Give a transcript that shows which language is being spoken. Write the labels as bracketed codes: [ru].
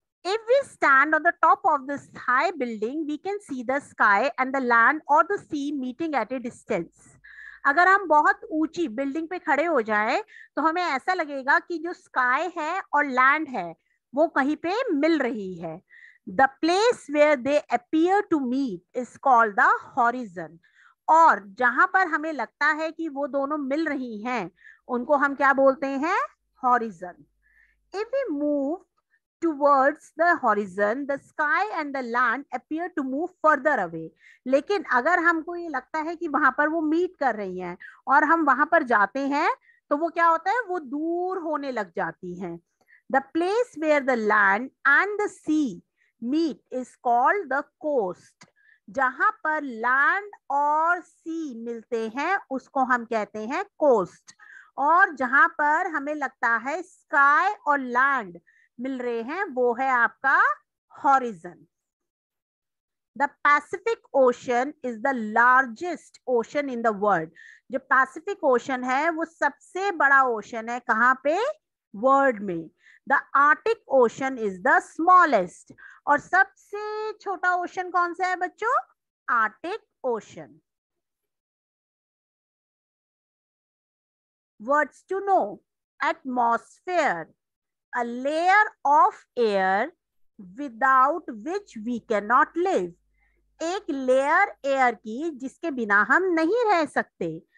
[en] If we stand on the top of this high building, we can see the sky and the land or the sea meeting at a distance. [hi] अगर हम बहुत ऊंची building पे खड़े हो जाएं, तो हमें ऐसा लगेगा कि जो sky है और land है वो कहीं पे मिल रही है. [en] The place where they appear to meet is called the horizon. [hi] और जहां पर हमें लगता है कि वो दोनों मिल रही हैं, उनको हम क्या बोलते हैं? [en] Horizon. If we move towards the horizon, the sky and the land appear to move further away. [hi] लेकिन अगर हमको ये लगता है कि वहां पर वो मीट कर रही हैं और हम वहां पर जाते हैं, तो वो क्या होता है? वो दूर होने लग जाती हैं. [en] The place where the land and the sea meet is called the coast. [hi] जहां पर land और sea मिलते हैं उसको हम कहते हैं coast. और जहां पर हमें लगता है sky और land मिल रहे हैं वो है आपका horizon. [en] The Pacific Ocean is the largest ocean in the world. [hi] जो Pacific Ocean है वो सबसे बड़ा ocean है कहाँ पे? World में. [en] The Arctic Ocean is the smallest. [hi] और सबसे छोटा ocean कौन सा है बच्चों? [en] Arctic Ocean. Words to know. Atmosphere. A layer of air without which we cannot live. [hi] एक layer air की जिसके बिना हम नहीं रह सकते.